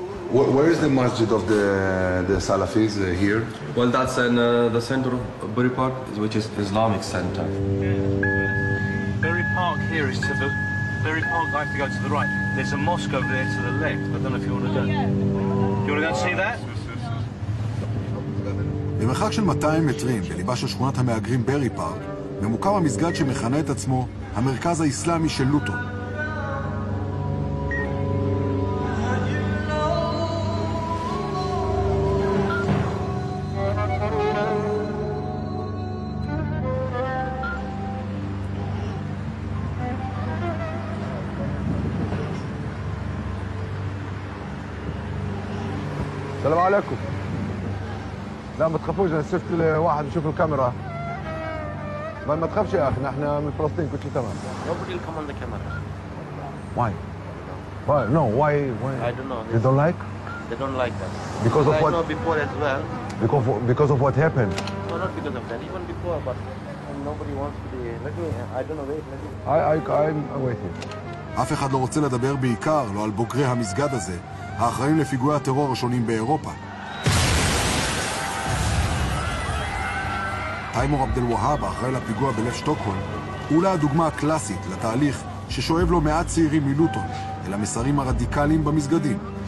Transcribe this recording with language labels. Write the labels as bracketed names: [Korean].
[English] Where is the masjid of the Salafis here? Well, that's in the center of Bury Park, which is Islamic center. Yeah. Bury Park here is to the... Bury Park, I have to go to the right. There's a mosque over there to the left. I don't know if you want to go. Do you want to go and see that? [Hebrew] במרחק של 200 מטרים בליבה של שכונת המאגרים ברי פארק, ממוקם המסגד שמכנה את עצמו המרכז האסלאמי של לוטון. [Arabic] סלאם עליכום. لا ما تخافوش انا شفت واحد يشوف الكاميرا ما تخافش يا اخي نحن من فلسطين كل شيء تمام [English] nobody will come on the camera why no why I don't know they don't like us because of what I know before as well because of what happened no not because of that even before but nobody wants to be let me I don't know wait let me I'm waiting [Hebrew] אף אחד לא רוצה לדבר בעיקר לא על בוגרי המסגד הזה האחראים לפיגועי הטרור השונים באירופה תיימור עבדל ווהאב, אחראי לפיגוע בלב שטוקהולם, אולי הדוגמה הקלאסית לתהליך ששואב לו מעט צעירים מלוטון אל המסרים הרדיקליים במסגדים.